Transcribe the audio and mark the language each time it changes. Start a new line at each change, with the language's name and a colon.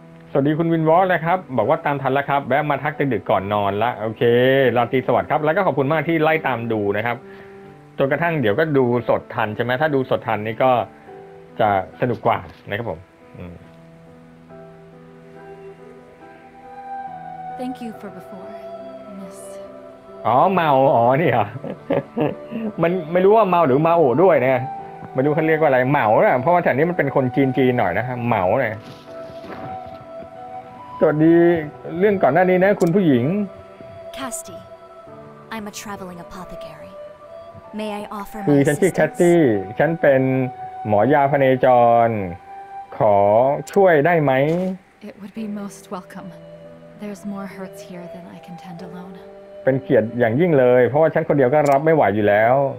Thai: สวัสดีคุณวินวอลนะครับบอกว่าตามทันแล้วครับแวะมาทักดึกๆก่อนนอนละโอเคราตรีสวัสดิ์ครับแล้วก็ขอบคุณมากที่ไล่ตามดูนะครับจนกระทั่งเดี๋ยวก็ดูสดทันใช่ไหมถ้าดูสดทันนี่ก็จะสนุกกว่านะครับผม
English: Thank you for before Miss
Thai: อ๋อเมาอ๋อนี่เหรอมันไม่รู้ว่าเมาหรือเมาโอด้วยนะมาดูเขาเรียกว่าอะไรเหมาเนี่ยเพราะว่าแถวนี้มันเป็นคนจีนๆหน่อยนะฮะเหมาเนี่ยสวัสดีเรื่องก่อนหน้านี้นะคุณผู้หญิง
English: Casty I'm a traveling apothecary May I offer
Thai: คือฉันชื่อ Casty ฉันเป็นหมอยาพเนจรขอช่วยได้ไหม
English: It would be most welcome There's more hurts here than I can tend alone
Thai: เป็นเกียรติอย่างยิ่งเลยเพราะว่าฉันคนเดียวก็รับไม่ไหวอยู่แล้ว